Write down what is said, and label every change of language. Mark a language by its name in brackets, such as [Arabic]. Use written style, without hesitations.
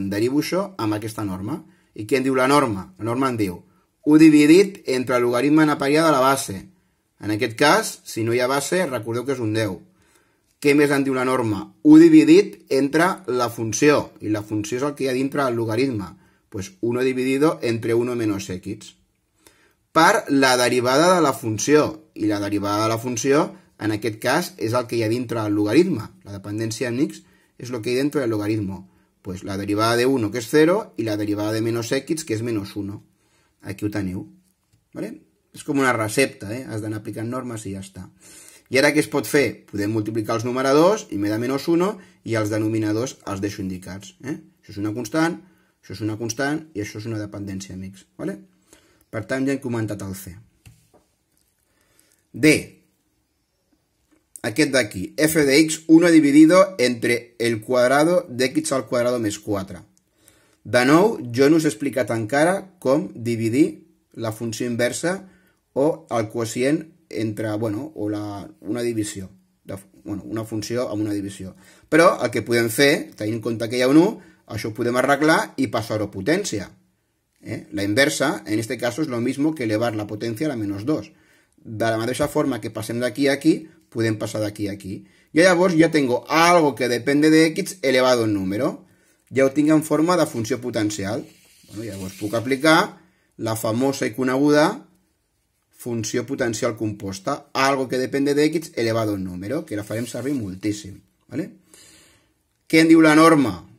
[Catalan] Derivo això amb aquesta norma. I què en diu la norma? La norma en diu u dividit entre el logaritme en aparellat de la base. En aquest cas, si no hi ha base, recordeu que és un 10. Què més en diu la norma? U dividit entre la funció. I la funció és el que hi ha dintre del logaritme. [Spanish] Pues 1 dividido entre 1 menos x. [Catalan] Per la derivada de la funció. I la derivada de la funció, en aquest cas, és el que hi ha dintre del logaritme. La dependència en x és el que hi ha dintre del logaritme. Pues la derivada de 1, que és 0, i la derivada de [Spanish] menos x, [Catalan] que és [Spanish] menos 1. [Catalan] Aquí ho teniu. ¿Vale? És com una recepta, eh? Has d'anar aplicant normes i ja està. I ara què es pot fer? Podem multiplicar els numeradors i m'he de menys 1 i els denominadors els deixo indicats. Això és una constant, això és una constant i això és una dependència, amics. ¿Vale? Per tant, ja hem comentat el C. D. Aquest d'aquí. [Spanish] F de x, 1 dividido entre el cuadrado de x al cuadrado més 4. [Catalan] De nou, jo no us he explicat encara com dividir la funció inversa o el quocient entre, bueno, o una divisió. bueno, una funció amb una divisió. Però el que podem fer, tenint en compte que hi ha un 1, això ho podem arreglar i passar-ho a potència. [Spanish] La inversa, en este caso, es lo mismo que elevar la potencia a la menos 2. [Catalan] De la mateixa forma que passem d'aquí a aquí, podem passar d'aquí a aquí. I llavors ja [Spanish] tengo algo que depende de x elevado a un número. [Catalan] Ja ho tinc en forma de funció potencial. Bueno, llavors puc aplicar la famosa i coneguda funció potencial composta. [Spanish] Algo que depende de x elevado a un número, [Catalan] que la farem servir moltíssim. [Spanish] ¿Vale? [Catalan] Què en diu la norma?